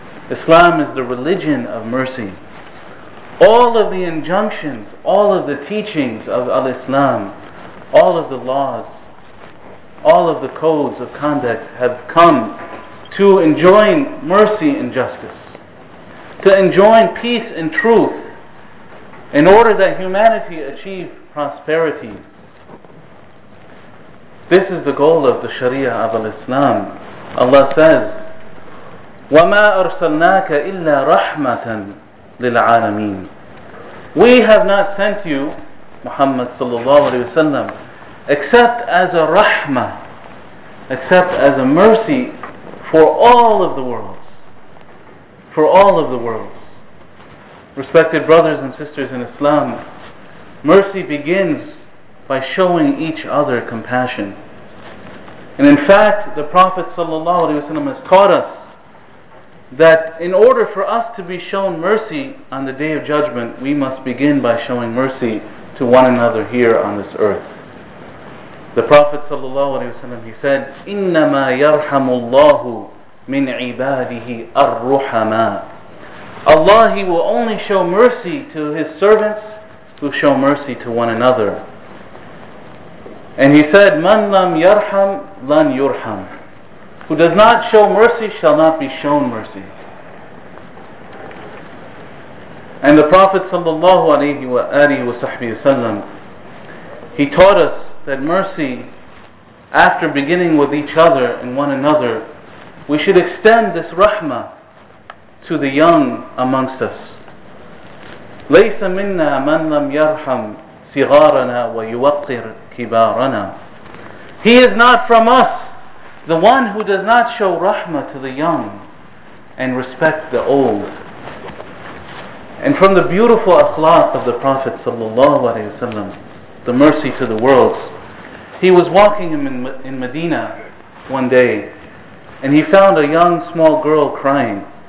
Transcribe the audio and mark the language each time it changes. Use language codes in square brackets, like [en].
[en] Islam is the religion of mercy. All of the injunctions, all of the teachings of al-Islam, all of the laws, all of the codes of conduct have come to enjoin mercy and justice, to enjoin peace and truth, in order that humanity achieve prosperity. This is the goal of the Sharia of al-Islam. Allah says, [ar] وَمَا أَرْسَلْنَاكَ إِلَّا رَحْمَةً لِلْعَالَمِينَ. [en] We have not sent you, Muhammad sallallahu alayhi wa sallam, except as a rahmah, except as a mercy for all of the worlds. For all of the worlds. Respected brothers and sisters in Islam, mercy begins by showing each other compassion. And in fact, the Prophet ﷺ has taught us that in order for us to be shown mercy on the Day of Judgment, we must begin by showing mercy to one another here on this earth. The Prophet ﷺ, he said, [ar] إِنَّمَا يَرْحَمُ اللَّهُ مِنْ عِبَادِهِ الرُّحَمَا. [en] Allah, He will only show mercy to His servants who show mercy to one another. And He said, [ar] مَنْ لَمْ يَرْحَمْ لَنْ يُرْحَمْ. [en] Who does not show mercy shall not be shown mercy. And the Prophet ﷺ, he taught us that mercy, after beginning with each other and one another, we should extend this rahmah to the young amongst us. [ar] ليس منا من لم يرحم صغارنا ويوقر كبارنا. [en] He is not from us the one who does not show rahmah to the young and respect the old. And from the beautiful akhlaq of the Prophet sallallahu alaihi wasallam, the mercy to the world, he was walking in Medina one day and he found a young small girl crying.